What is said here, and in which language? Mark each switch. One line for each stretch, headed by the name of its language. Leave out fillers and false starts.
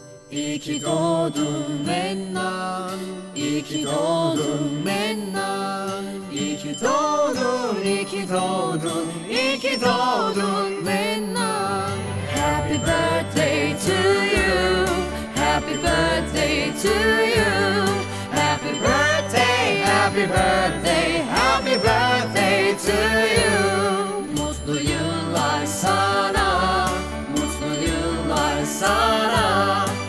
Turkish: İyi ki doğdun Mennan, iyi ki doğdun Mennan, iyi ki doğdun, iyi ki doğdun, iyi ki doğdun Mennan.
English: Happy birthday to you, happy birthday to you, happy birthday, happy birthday, happy birthday to you.
Turkish: Mutlu yıllar sana, mutlu yıllar sana.